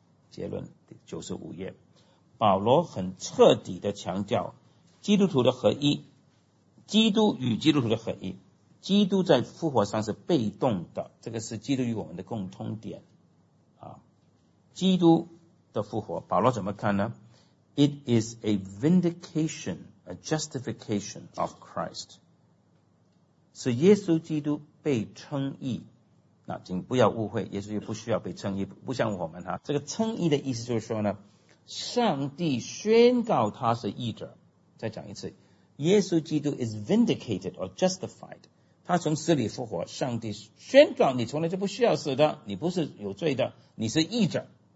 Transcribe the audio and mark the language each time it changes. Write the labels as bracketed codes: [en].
[zh] 结论95页，保罗很彻底的强调基督徒的合一，基督与基督徒的合一，基督在复活上是被动的，这个是基督与我们的共通点啊。基督的复活保罗怎么看呢？ [en] It is a vindication, a justification of Christ, [zh] 是耶稣基督被称义。那请不要误会，耶稣也不需要被称义，不像我们哈。这个称义的意思就是说呢，上帝宣告他是义者。再讲一次，耶稣基督 [en] is vindicated or justified, [zh] 他从死里复活，上帝宣告你从来就不需要死的，你不是有罪的，你是义者。